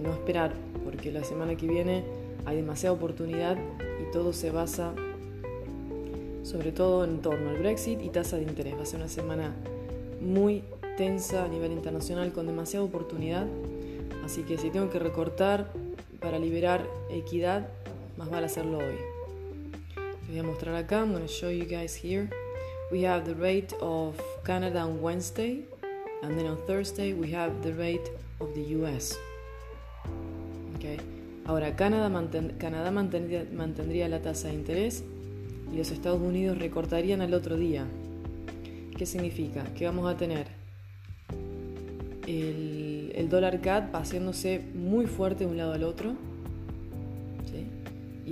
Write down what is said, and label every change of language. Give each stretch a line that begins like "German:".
Spanish: No esperar, porque la semana que viene hay demasiada oportunidad y todo se basa sobre todo en torno al Brexit y tasa de interés. Va a ser una semana muy tensa a nivel internacional con demasiada oportunidad. Así que si tengo que recortar para liberar equidad, más vale hacerlo hoy. Les voy a mostrar acá.
English: I'm going to show you guys here. We have the rate of Canada on Wednesday. And then on Thursday we have the rate of the US. Okay.
Spanish: Ahora, Canadá mantendría la tasa de interés y los Estados Unidos recortarían al otro día. ¿Qué significa? Que vamos a tener el dólar CAD pasándose muy fuerte de un lado al otro. ¿Sí?